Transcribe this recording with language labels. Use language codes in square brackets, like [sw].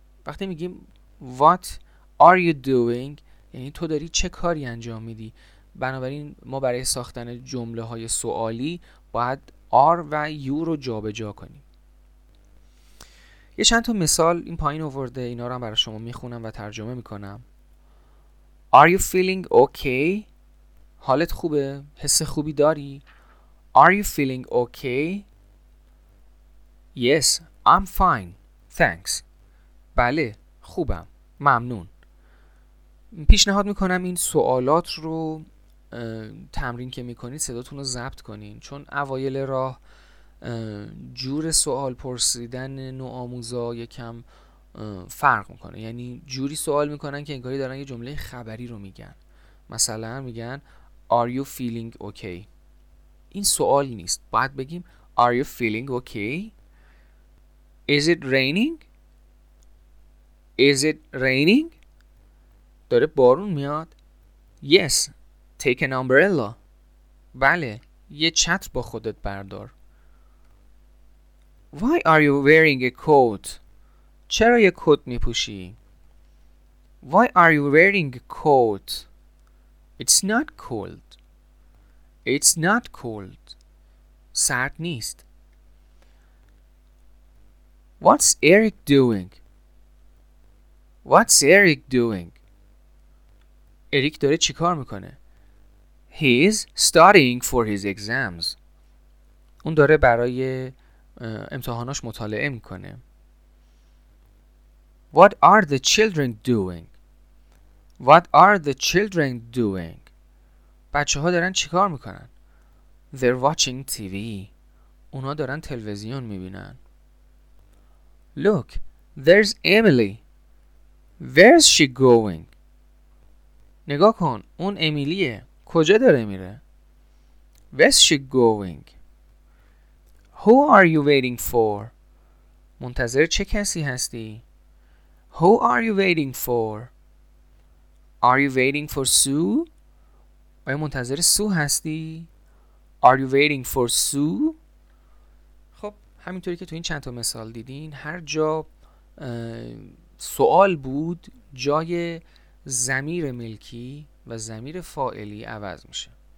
[fa] وقتی میگیم [en] what are you doing [fa] یعنی تو داری چه کاری انجام میدی. بنابراین ما برای ساختن جمله های سوالی باید are و you رو جابجا کنیم. یه چند تا مثال این پایین آورده، اینا رو هم برای شما میخونم و ترجمه میکنم. [en] Are you feeling okay؟ [fa] حالت خوبه؟ حس خوبی داری؟ [en] Are you feeling okay؟ Yes, I'm fine. Thanks. [fa] بله، خوبم. ممنون. پیشنهاد میکنم این سوالات رو تمرین که میکنید صداتون رو ضبط کنین، چون اوایل راه جور سوال پرسیدن نوآموزا یکم فرق میکنه. یعنی جوری سوال میکنن که انگاری دارن یه جمله خبری رو میگن. مثلا میگن [en] Are you feeling okay؟ [fa] این سوال نیست، باید بگیم [en] Are you feeling okay؟ Is it raining؟ Is it raining؟ [fa] داره بارون میاد؟ [en] Yes، take an umbrella. [fa] بله، یه چتر با خودت بردار. [en] Why are you wearing a coat؟ [fa] چرا یه کت میپوشی؟ [en] Why are you wearing a coat؟ It's not cold. It's not cold. [fa] سرد نیست. [en] What's Eric doing? What's Eric doing? Eric [fa] داره چی کار میکنه؟ [en] He's studying for his exams. [fa] اون داره برای امتحاناش مطالعه میکنه. [en] What are the children doing? What are the children doing? [fa] بچه ها دارن چی کار میکنن؟ [en] They're watching TV. [fa] اونا دارن تلویزیون میبینن. [en] Look, there's Emily. Where's she going? [fa] نگاه کن، اون امیلیه. کجا داره میره؟ [en] Where's she going? Who are you waiting for? [fa] منتظر چه کسی هستی؟ [en] Who are you waiting for? Are you waiting for Sue? [fa] آیا منتظر سو هستی؟ [en] Are you waiting for Sue؟ [fa] خب همینطوری که تو این چند تا مثال دیدین، هر جا سوال بود جای ضمیر ملکی و ضمیر فاعلی عوض میشه.